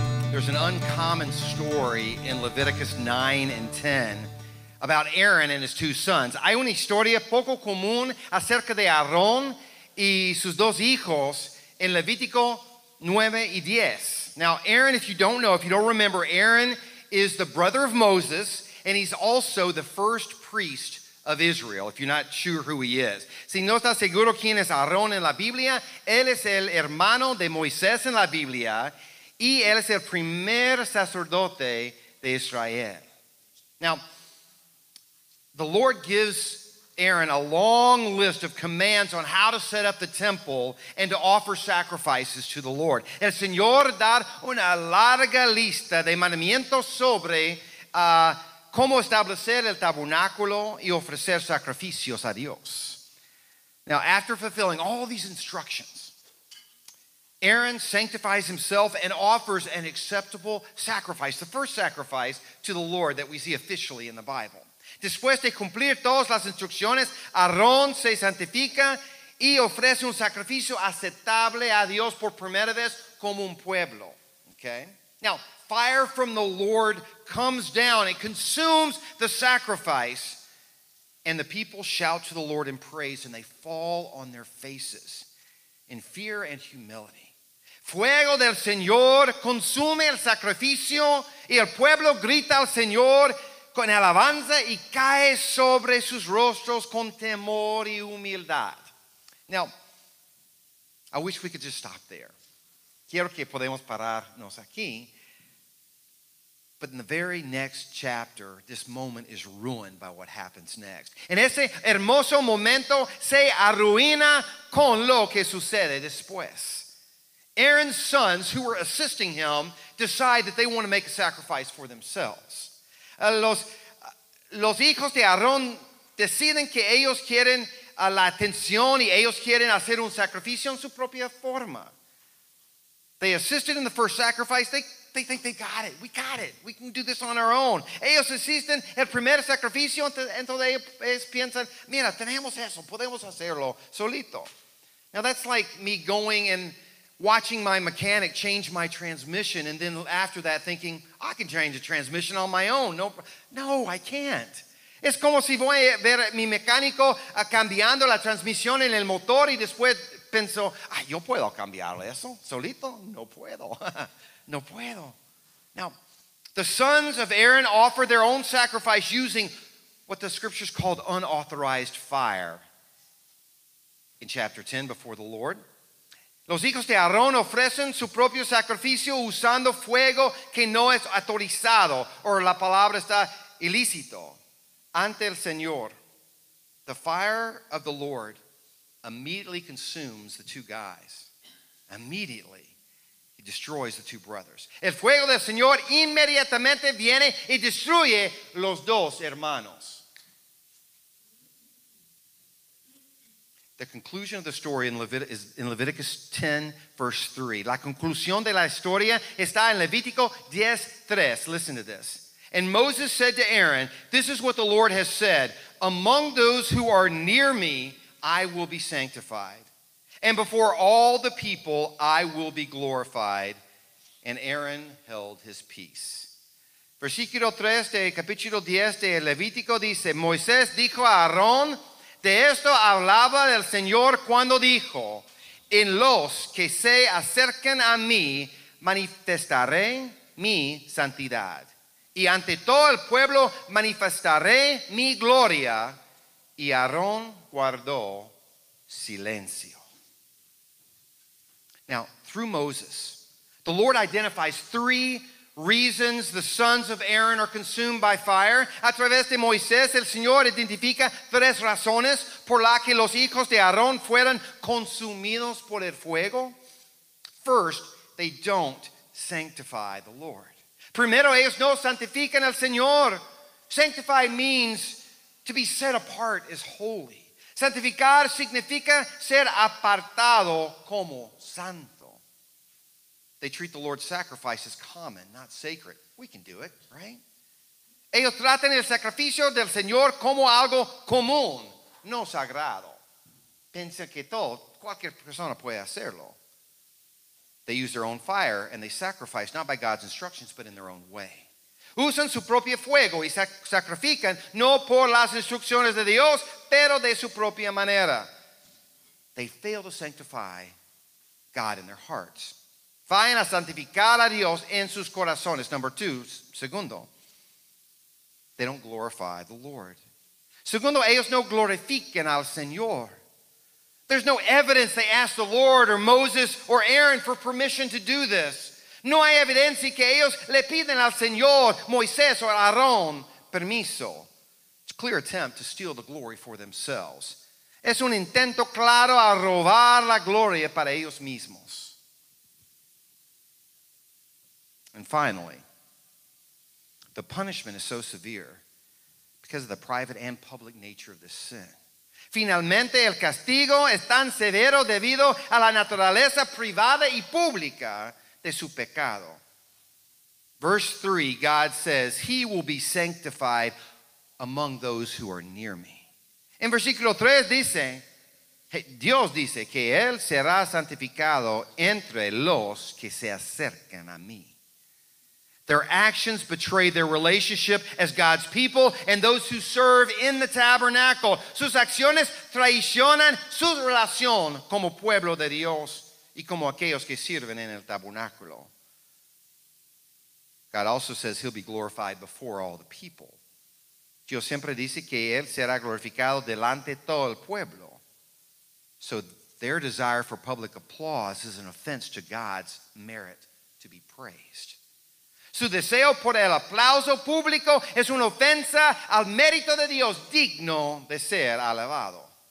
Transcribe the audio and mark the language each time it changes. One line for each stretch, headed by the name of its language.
English: There's an uncommon story in Leviticus 9 and 10 about Aaron and his two sons.
Spanish: Hay una historia poco común acerca de Aarón y sus dos hijos en Levítico 9 y 10.
English: Now, Aaron, if you don't know, if you don't remember, Aaron is the brother of Moses, and he's also the first priest of Israel, if you're not sure who he is.
Spanish: Si no estás seguro quién es Aarón en la Biblia, él es el hermano de Moisés en la Biblia, y él es el primer sacerdote de Israel.
English: Now, the Lord gives Aaron a long list of commands on how to set up the temple and to offer sacrifices to the Lord.
Spanish: El Señor da una larga lista de mandamientos sobre cómo establecer el tabernáculo y ofrecer sacrificios a Dios.
English: Now, after fulfilling all these instructions, Aaron sanctifies himself and offers an acceptable sacrifice, the first sacrifice to the Lord that we see officially in the Bible.
Spanish: Después de cumplir todas las instrucciones, Aarón se santifica y ofrece un sacrificio aceptable a Dios por primera vez como un pueblo.
English: Okay? Now, fire from the Lord comes down. It consumes the sacrifice. And the people shout to the Lord in praise, and they fall on their faces in fear and humility.
Spanish: Fuego del Señor consume el sacrificio, y el pueblo grita al Señor con alabanza y cae sobre sus rostros con temor y humildad.
English: Now, I wish we could just stop there.
Spanish: Quiero que podemos pararnos aquí.
English: But in the very next chapter, this moment is ruined by what happens next.
Spanish: En ese hermoso momento se arruina con lo que sucede después.
English: Aaron's sons, who were assisting him, decide that they want to make a sacrifice for themselves.
Spanish: Los hijos de Aarón deciden que ellos quieren la atención y ellos quieren hacer un sacrificio en su propia forma.
English: They assisted in the first sacrifice. They think they got it. We got it. We can do this on our own.
Spanish: Ellos asisten el primer sacrificio, entonces ellos piensan, mira, tenemos eso, podemos hacerlo solito.
English: Now that's like me going and watching my mechanic change my transmission, and then after that thinking, I can change the transmission on my own. No, I can't.
Spanish: Es como si voy a ver mi mecánico cambiando la transmisión en el motor y después pienso, ay, yo puedo cambiar eso solito. No puedo. No puedo.
English: Now, the sons of Aaron offer their own sacrifice using what the scriptures called unauthorized fire. In chapter 10, before the Lord,
Spanish: los hijos de Aarón ofrecen su propio sacrificio usando fuego que no es autorizado,
English: or
Spanish: la palabra está ilícito, ante el Señor.
English: The fire of the Lord immediately consumes the two guys. Immediately, he destroys the two brothers.
Spanish: El fuego del Señor inmediatamente viene y destruye los dos hermanos.
English: The conclusion of the story is in Leviticus 10, verse 3.
Spanish: La conclusión de la historia está en Levítico 10, 3.
English: Listen to this. And Moses said to Aaron, this is what the Lord has said. Among those who are near me, I will be sanctified. And before all the people, I will be glorified. And Aaron held his peace.
Spanish: Versículo 3 de capítulo 10 de Levítico dice, Moisés dijo a Aarón, de esto hablaba el Señor cuando dijo, en los que se acerquen a mí, manifestaré mi santidad. Y ante todo el pueblo, manifestaré mi gloria. Y Aarón guardó silencio.
English: Now, through Moses, the Lord identifies three reasons the sons of Aaron are consumed by fire.
Spanish: A través de Moisés, el Señor identifica tres razones por las que los hijos de Aarón fueron consumidos por el fuego.
English: First, they don't sanctify the Lord.
Spanish: Primero, ellos no santifican al Señor.
English: Sanctify means to be set apart as holy.
Spanish: Santificar significa ser apartado como santo.
English: They treat the Lord's sacrifice as common, not sacred. We can do it, right?
Spanish: Ellos tratan el sacrificio del Señor como algo común, no sagrado. Piensa que todo, cualquier persona puede hacerlo.
English: They used their own fire and they sacrificed, not by God's instructions, but in their own way.
Spanish: Usan su propio fuego y sacrifican, no por las instrucciones de Dios, pero de su propia manera.
English: They fail to sanctify God in their hearts.
Spanish: Fallan a santificar a Dios en sus corazones.
English: Number two,
Spanish: segundo,
English: they don't glorify the Lord.
Spanish: Segundo, ellos no glorifican al Señor.
English: There's no evidence they asked the Lord or Moses or Aaron for permission to do this.
Spanish: No hay evidencia que ellos le piden al Señor, Moisés o Aarón, permiso.
English: It's a clear attempt to steal the glory for themselves.
Spanish: Es un intento claro a robar la gloria para ellos mismos.
English: And finally, the punishment is so severe because of the private and public nature of this sin.
Spanish: Finalmente, el castigo es tan severo debido a la naturaleza privada y pública de su pecado.
English: Verse 3, God says, he will be sanctified among those who are near me.
Spanish: En versículo 3 dice, Dios dice que él será santificado entre los que se acercan a mí.
English: Their actions betray their relationship as God's people and those who serve in the tabernacle.
Spanish: Sus acciones traicionan su relación como pueblo de Dios y como aquellos que sirven en el tabernáculo.
English: God also says he'll be glorified before all the people.
Spanish: Dios siempre dice que él será glorificado delante de todo el pueblo.
English: So their desire for public applause is an offense to God's merit to be praised.
Spanish: Su deseo por el aplauso público es una ofensa al mérito de Dios, digno de ser alabado.